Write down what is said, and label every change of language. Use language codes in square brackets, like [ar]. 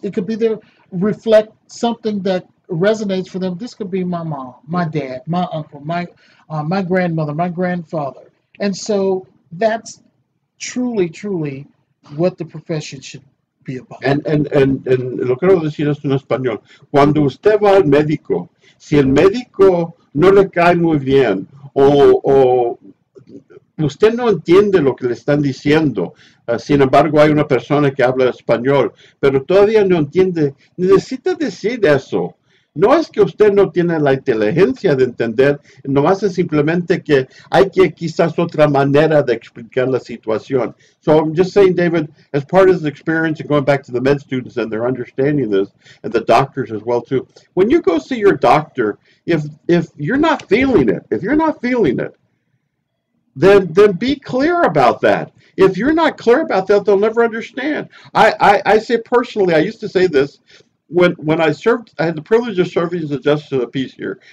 [en] it could be their reflect something that resonates for them. This could be my mom, my dad, my uncle, my grandmother, my grandfather. And so that's truly, truly what the profession should be about. [es] And lo quiero decir esto en español. Cuando usted va al médico, si el médico no le cae muy bien o usted no entiende lo que le están diciendo, sin embargo hay una persona que habla español, pero todavía no entiende, necesita decir eso. No es que usted no tiene la inteligencia de entender, nomás es simplemente que hay que quizás otra manera de explicar la situación. [en] So I'm just saying, David, as part of the experience and going back to the med students and their understanding this, and the doctors as well too, when you go see your doctor, if you're not feeling it, if you're not feeling it, then be clear about that. If you're not clear about that, they'll never understand. I say personally, I used to say this, When I served, I had the privilege of serving as a justice of the peace here.